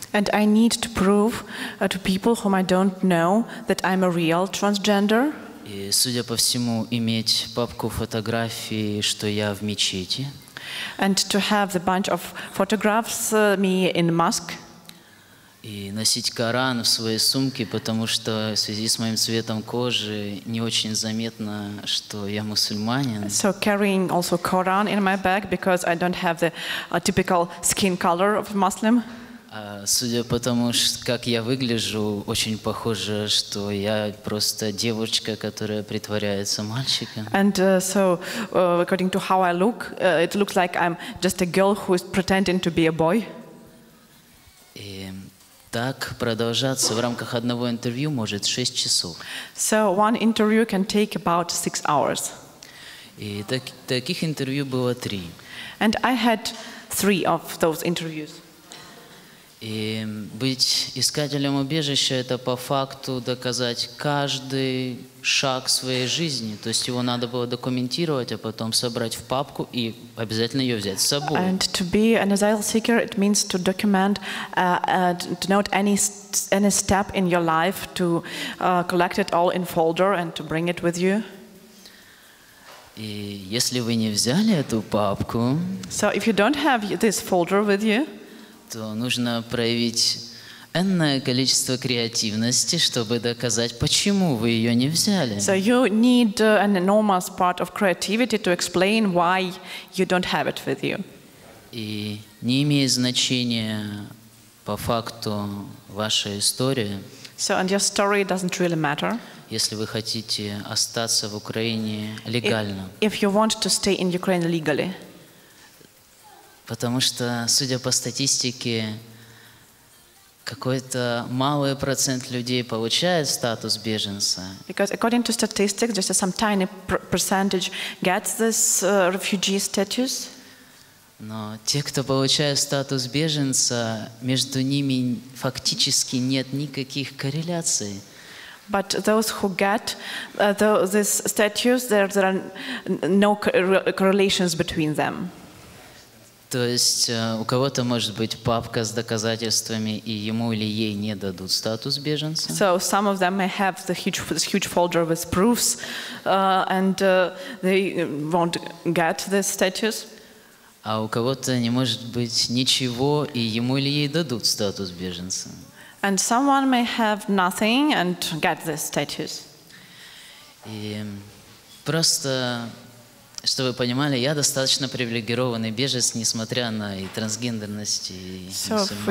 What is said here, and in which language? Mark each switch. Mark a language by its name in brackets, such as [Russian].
[English] And I need to prove to people whom I don't know that I'm a real transgender. [Russian] И, судя по всему, иметь папку фотографий, что я в мечети. [English] And to have the bunch of photographs me in mosque. [Russian] И носить Коран в своей сумке, потому что в связи с моим цветом кожи не очень заметно, что я мусульманин. [English] So carrying also Quran in my bag because I don't have the typical skin color of Muslim. [Russian] Судя по тому, как я выгляжу, очень похоже, что я просто девочка, которая притворяется мальчиком. [English] And according to how I look, it looks like I'm just a girl who is pretending to be a boy. [Russian] И так продолжаться в рамках одного интервью может 6 часов. [English] So one interview can take about 6 hours. [Russian] И таких интервью было 3. [English] And I had 3 of those interviews. [Russian] И быть искателем убежища – это по факту доказать каждый шаг своей жизни. То есть его надо было документировать, а потом собрать в папку и обязательно ее взять с собой. [English] And to be an asylum seeker, it means to document, to note any step in your life, to collect it all in folder and to bring it with you. [Russian] И если вы не взяли эту папку… [English] So if you don't have this folder with you, [Russian] то нужно проявить энное количество креативности, чтобы доказать, почему вы ее не взяли. [English] So you need an enormous part of creativity to explain why you don't have it with you. [Russian] И не имеет значения по факту ваша история. [English] So and your story doesn't really matter. [Russian] Если вы хотите остаться в Украине легально. [English] If you want to stay in Ukraine legally. [Russian] Потому что, судя по статистике, какой-то малый процент людей получает статус беженца. [English] Because according to statistics, just some tiny percentage gets this refugee status. [Russian] Но те, кто получает статус беженца, между ними фактически нет никаких корреляций. [English] but those who get these statues, there are no correlations between them. [Russian] То есть у кого-то может быть папка с доказательствами, и ему или ей не дадут статус беженца. [English] So some of them may have the huge folder with proofs, they won't get this status. [Russian] А у кого-то не может быть ничего, и ему или ей дадут статус беженца. [English] And someone may have nothing and get this status. [Russian] И просто чтобы вы понимали, я достаточно привилегированный беженец, несмотря на и трансгендерность, и мусульманство.